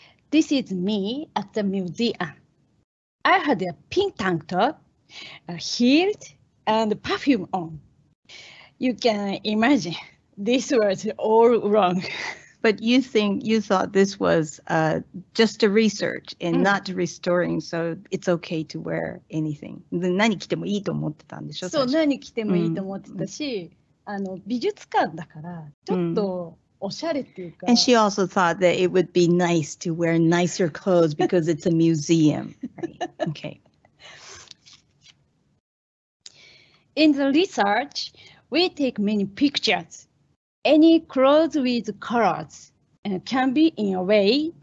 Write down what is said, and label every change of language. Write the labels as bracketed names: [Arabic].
[English] This is me at the museum. I had a pink tank top, a heels, and perfume on. You can imagine, this was all wrong. But you thought this was just a research and not restoring, so it's okay to wear anything. [Japanese] 何着てもいいと思ってたんでしょ。そう、何着てもいいと思ってたし、あの美術館だからちょっとおしゃれっていうか。 [English] And she also thought that it would be nice to wear nicer clothes because it's a museum. Okay. In the research, we take many pictures. Any clothes with colors can be in a way.